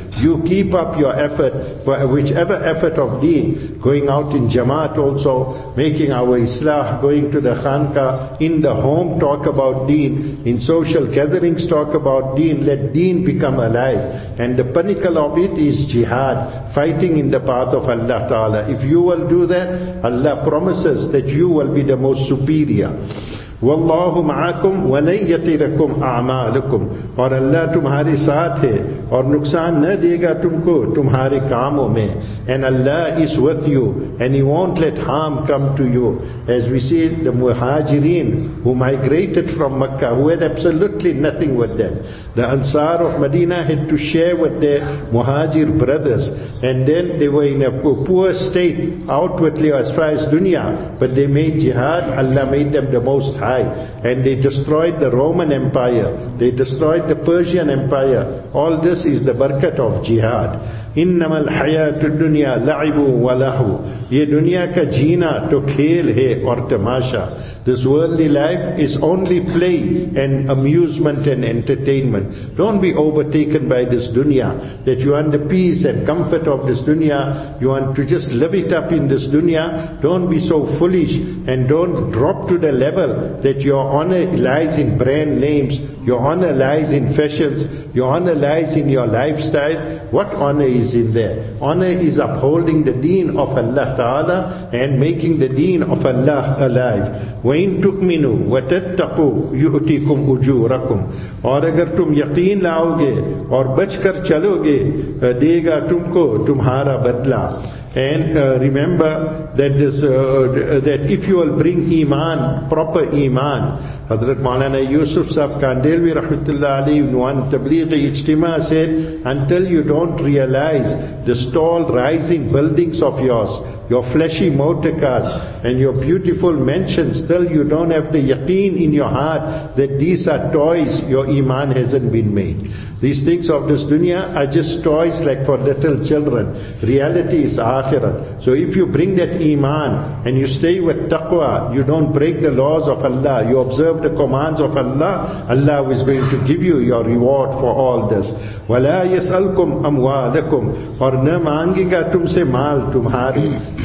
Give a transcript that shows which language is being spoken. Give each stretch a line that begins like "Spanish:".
English: You keep up your effort, whichever effort of deen, going out in jamaat also, making our islah, going to the khanka, in the home talk about deen, in social gatherings talk about deen, let deen become alive. And the pinnacle of it is jihad, fighting in the path of Allah Ta'ala. If you will do that, Allah promises that you will be the most superior.
Arabic: وَاللَّهُ مَعَكُمْ وَلَنْ يَتِرَكُمْ أَعْمَالُكُمْ,
Urdu: اور اللہ تمہارے ساتھ ہے اور نقصان نہ دے گا تم کو تمہارے کاموں میں.
English: And Allah is with you and He won't let harm come to you. As we see the muhajirin who migrated from Makkah, who had absolutely nothing with them. The Ansar of Medina had to share with their muhajir brothers, and then they were in a poor state outwardly as far as dunya, but they made jihad. Allah made them the most high, and they destroyed the Roman Empire, they destroyed the Persian Empire. All this is the barakat of jihad.
Arabic: إِنَّمَا الْحَيَاةُ الدُّنْيَا لَعِبُوا وَلَهُ.
Urdu: یہ دنیا کا جینا تو کھیل ہے اور تماشا.
English: This worldly life is only play and amusement and entertainment. Don't be overtaken by this dunya, that you want the peace and comfort of this dunya, you want to just live it up in this dunya. Don't be so foolish and don't drop to the level that your honor lies in brand names, your honor lies in fashions, your honor lies in your lifestyle. What honor is in there? Honor is upholding the deen of Allah Ta'ala and making the deen of Allah alive.
Arabic: وَإِن تُؤْمِنُوا وَتَتَّقُوا يُؤْتِكُمْ أُجُورَكُمْ,
Urdu: اور اگر تم یقین لاؤ گے اور بچ کر چلو گے دے گا تم کو تمہارا بدلہ.
English: And remember that this, that if you will bring Iman, proper Iman, Hazrat Maulana Yusuf Sahib Kandilvi Rahmatullah Ali in one Tablighi Ijtima said, until you don't realize the tall rising buildings of yours, your flashy motor cars and your beautiful mansions, till you don't have the yaqeen in your heart that these are toys, your Iman hasn't been made. These things of this dunya are just toys like for little children. Reality is akhirat. So if you bring that Iman and you stay with taqwa, you don't break the laws of Allah, you observe the commands of Allah, Allah is going to give you your reward for all this.
Arabic: وَلَا يَسْأَلْكُمْ أَمْوَالَكُمْ,
Urdu: اور نہ مانگے گا تم سے مال تمہاری.